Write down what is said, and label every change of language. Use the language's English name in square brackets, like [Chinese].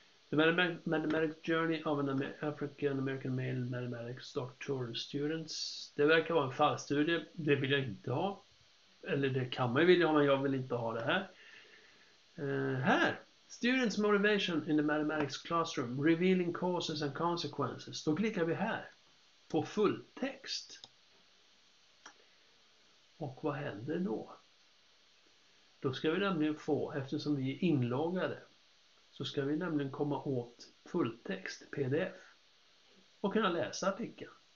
[English] The mathematics journey of an African American male mathematics doctoral students. [Swedish] Det verkar vara en fallstudie. Det vill jag inte ha. Eller det kan man ju vilja ha, men jag vill inte ha det här. Här, [English] students motivation in the mathematics classroom, revealing causes and consequences. [Swedish] Då klickar vi här på full text. Och vad händer då? Då ska vi nämligen få, eftersom vi är inloggade, så ska vi nämligen komma åt full text, PDF. och kunna läsa artikeln.